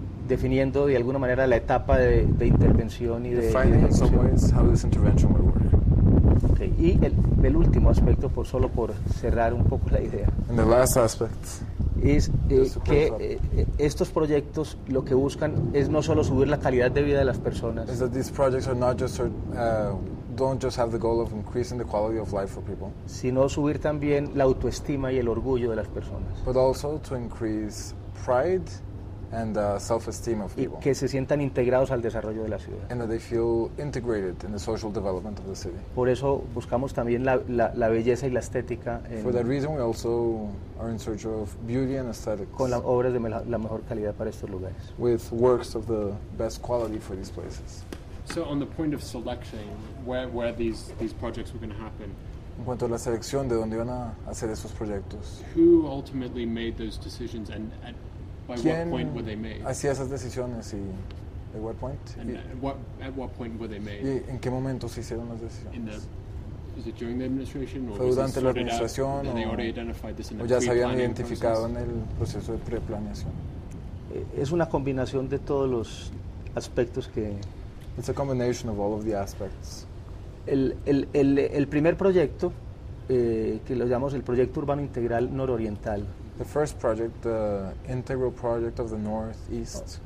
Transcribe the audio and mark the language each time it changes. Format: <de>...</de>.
<es>Definiendo de alguna manera la etapa de intervención y</es> <en>defining</en> <es>de ejecución.</es> <en>In some ways how this intervention would work. Okay.</en> <es>Y el último aspecto, por solo por cerrar un poco la idea,</es> <en>and the last aspect is</en> <es>que estos proyectos lo que buscan es no solo subir la calidad de vida de las personas,</es> <en>is that these projects are not just don't just have the goal of increasing the quality of life for people,</en> <es>sino subir también la autoestima y el orgullo de las personas,</es> <en>but also to increase pride and self-esteem of people,</en> <es>y que se sientan integrados al desarrollo de la ciudad,</es> <en>and that they feel integrated in the social development of the city.</en> <es>Por eso buscamos también la belleza y la estética.</es> <en>For that reason, we also are in search of beauty and aesthetics.</en> <es>Con las obras de la mejor calidad para estos lugares.</es> <en>With works of the best quality for these places. So, on the point of selection, where these projects were going to happen.</en> <es>En cuanto a la selección de dónde van a hacer esos proyectos.</es> <en>Who ultimately made those decisions and by what point were they made?</en> <es>Hacía esas decisiones y</es> <en>at what point? At what point were they made?</en> <es>¿Y en qué momento se hicieron las decisiones?</es> <en>Is it during the administration or</en> <es>fue durante la administración</es> <en>out,</en> <es>o ya se habían identificado en el proceso de preplaneación? Es una combinación de todos los aspectos que.</es> <en>It's a combination of all of the aspects.</en> <es>El primer proyecto que lo llamamos el proyecto urbano integral nororiental.</es> <en>The first project, the integral project of the Northeast.</en>